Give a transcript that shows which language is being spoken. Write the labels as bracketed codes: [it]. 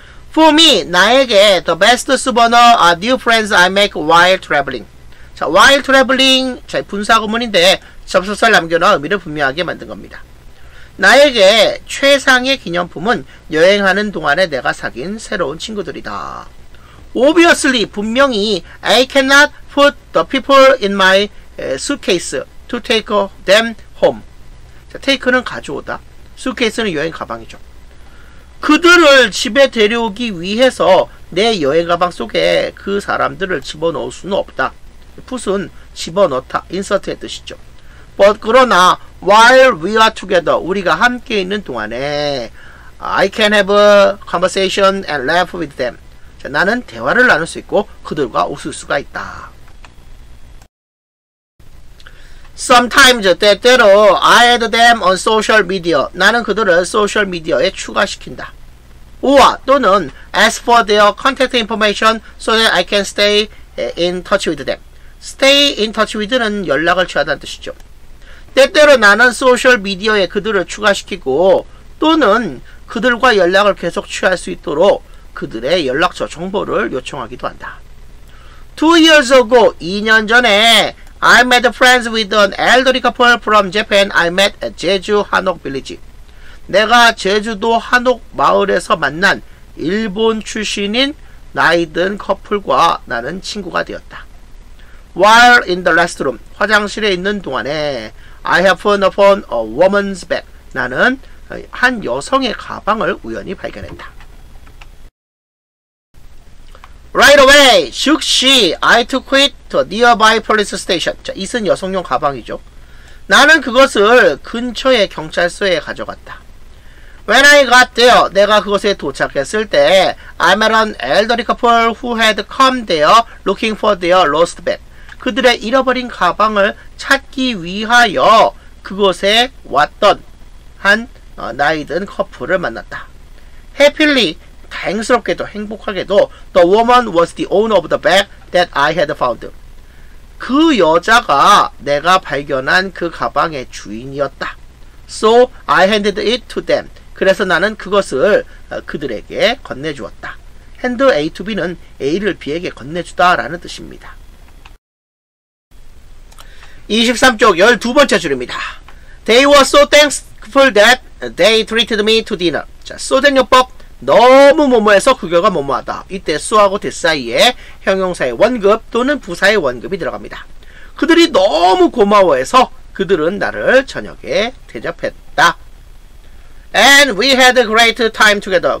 [en] For me, [ko] 나에게 [en] the best souvenir are new friends I make while traveling. [ko] 자, [en] while traveling, [ko] 자, 분사구문인데 접속사를 남겨놔 의미를 분명하게 만든 겁니다. 나에게 최상의 기념품은 여행하는 동안에 내가 사귄 새로운 친구들이다. [en] Obviously, [ko] 분명히 [en] I cannot put the people in my suitcase to take them home. [ko] 자, take는 가져오다. suitcase는 여행 가방이죠. 그들을 집에 데려오기 위해서 내 여행 가방 속에 그 사람들을 집어넣을 수는 없다. put은 집어넣다, insert의 뜻이죠. [en] But [ko] 그러나 [en] while we are together, [ko] 우리가 함께 있는 동안에 [en] I can have a conversation and laugh with them. [ko] 자, 나는 대화를 나눌 수 있고 그들과 웃을 수가 있다. [en] Sometimes, [ko] 때때로 [en] I add them on social media. [ko] 나는 그들을 social media에 추가시킨다. [en] Or [ko] 또는 [en] ask for their contact information so that I can stay in touch with them. [ko] Stay in touch with는 연락을 취하다는 뜻이죠. 때때로 나는 소셜미디어에 그들을 추가시키고 또는 그들과 연락을 계속 취할 수 있도록 그들의 연락처 정보를 요청하기도 한다. [en] 2 years ago, [ko] 2년 전에 [en] I made friends with an elderly couple from Japan I met at Jeju Hanok Village. [ko] 내가 제주도 한옥 마을에서 만난 일본 출신인 나이 든 커플과 나는 친구가 되었다. [en] While in the restroom, [ko] 화장실에 있는 동안에 [en] I happened upon a woman's bag. [ko] 나는 한 여성의 가방을 우연히 발견했다. [en] Right away, [ko] 즉시 [en] I took it to a nearby police station. [ko] 자, 이슨 여성용 가방이죠. 나는 그것을 근처의 경찰서에 가져갔다. [en] When I got there, [ko] 내가 그곳에 도착했을 때 [en] I met an elderly couple who had come there looking for their lost bag. [ko] 그들의 잃어버린 가방을 찾기 위하여 그곳에 왔던 한 나이 든 커플을 만났다. [en] Happily, [ko] 다행스럽게도 행복하게도 [en] the woman was the owner of the bag that I had found. [ko] 그 여자가 내가 발견한 그 가방의 주인이었다. [en] So I handed it to them. [ko] 그래서 나는 그것을 그들에게 건네주었다. Hand A to B는 A를 B에게 건네주다 라는 뜻입니다. 23쪽 12번째 줄입니다. [en] They were so thankful that they treated me to dinner. [ko] 자, so 된용법 너무 뭐뭐해서 그녀가 뭐뭐하다. 이때 so하고 this 사이에 형용사의 원급 또는 부사의 원급이 들어갑니다. 그들이 너무 고마워해서 그들은 나를 저녁에 대접했다. [en] And we had a great time together.